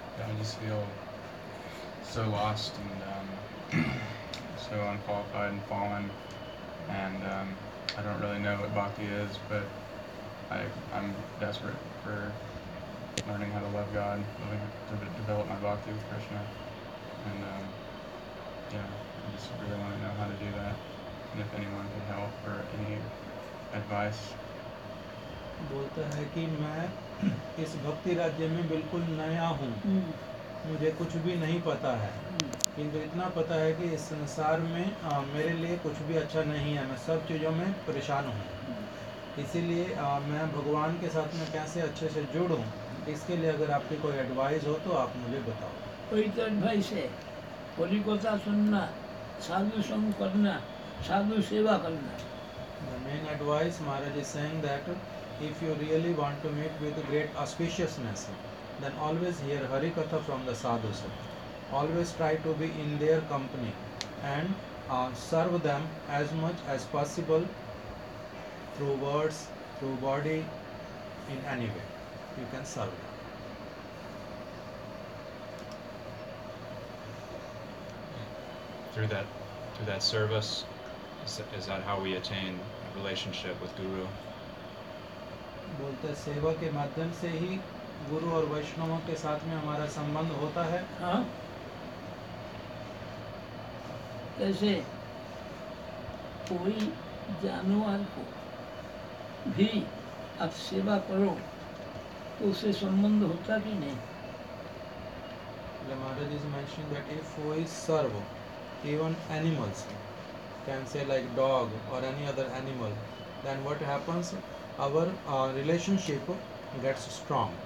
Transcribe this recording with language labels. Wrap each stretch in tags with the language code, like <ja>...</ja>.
<en>Yeah, I just feel so lost and so unqualified and fallen, and I don't really know what bhakti is, but I'm desperate for learning how to love God, living to develop my bhakti with Krishna, and I just really want to know how to do that, and if anyone could help or any advice.</en> <hi>बोलता है कि मैं इस भक्ति राज्य में बिल्कुल नया हूँ, मुझे कुछ भी नहीं पता है, किंतु इतना पता है कि इस संसार में मेरे लिए कुछ भी अच्छा नहीं है, मैं सब चीज़ों में परेशान हूँ, इसीलिए मैं भगवान के साथ में कैसे अच्छे से जुड़ूँ, इसके लिए अगर आपकी कोई एडवाइस हो तो आप मुझे बताओ। कोई तो एडवाइस है, কলিকতা শুননা, সাধু সঙ্গ করনা, সাধু সেবা করনা।</hi> <en>The main advice Maharaj is saying that if you really want to meet with great auspiciousness, then always hear Harikatha from the sadhus. Always try to be in their company and serve them as much as possible through words, through body, in any way. You can serve them. Through that through that service? Is that how we attain a relationship with Guru?</en> <hi>बोलते सेवा के माध्यम से ही गुरु और वैष्णवों के साथ में हमारा संबंध होता है कैसे कोई जानवर को भी आप सेवा करो तो उसे संबंध होता कि नहीं</hi> <en>The Maharaj is mentioning that if we serve even animals, can say like dog or any other animal, then what happens? Our relationship gets strong.</en>